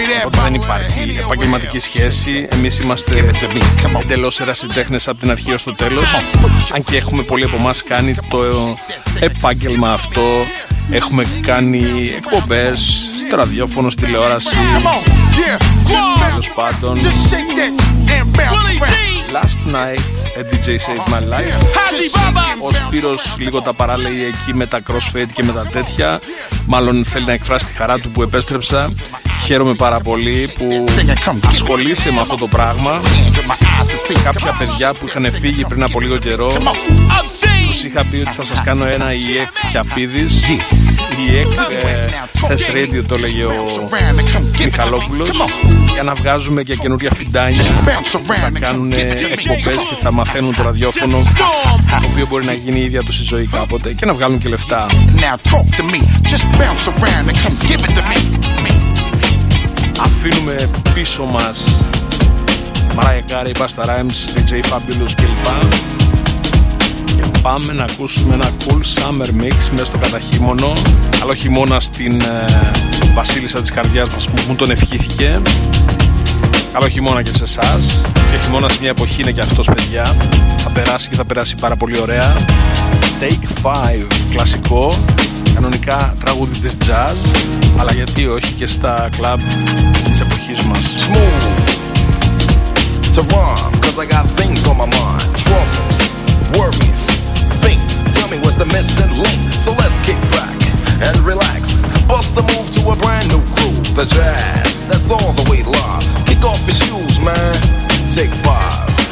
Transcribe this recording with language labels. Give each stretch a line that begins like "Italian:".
Greek: Οπότε δεν υπάρχει επαγγελματική σχέση. Εμείς είμαστε εντελώς ερασιτέχνες από την αρχή ως το τέλος. Αν και έχουμε πολλοί από εμάς κάνει το επάγγελμα αυτό, έχουμε κάνει εκπομπές στο ραδιόφωνο, στη τηλεόραση. Τέλος πάντων, Last Night, a DJ Saved My Life. Ο Σπύρος λίγο τα παράλεγε εκεί με τα crossfade και με τα τέτοια. Μάλλον θέλει να εκφράσει τη χαρά του που επέστρεψα. Χαίρομαι πάρα πολύ που ασχολείσαι με αυτό το πράγμα. Κάποια παιδιά που είχαν φύγει πριν από λίγο καιρό, τους είχα πει ότι θα σας κάνω ένα EEC Χιαπίδης. EEC Test Radio το λέγει ο Μιχαλόπουλος. Για να βγάζουμε και καινούρια φιντάνια, θα κάνουν εκπομπές και θα μαθαίνουν το ραδιόφωνο, το οποίο μπορεί να γίνει η ίδια τους η ζωή κάποτε, και να βγάλουν και λεφτά. Αφήνουμε πίσω μας Mariah Carey, Busta Rhymes, DJ Fabulous κλπ. Και πάμε να ακούσουμε ένα cool summer mix μέσα στο καταχειμώνο. Καλό χειμώνα στην βασίλισσα της καρδιάς μας που μου τον ευχήθηκε. Καλό χειμώνα και σε εσάς. Και χειμώνα σε μια εποχή είναι και αυτός, παιδιά. Θα περάσει και θα περάσει πάρα πολύ ωραία. Take 5, κλασικό. Κανονικά τραγούδι της jazz, αλλά γιατί όχι και στα club της εποχής μας.
English: Smooth to run, cause I got things on my mind. Troubles, worries, think. Tell me what's the missing link. So let's kick back and relax. Bust the move to a brand new groove. The jazz, that's all the way live. Kick off your shoes, man. Take 5.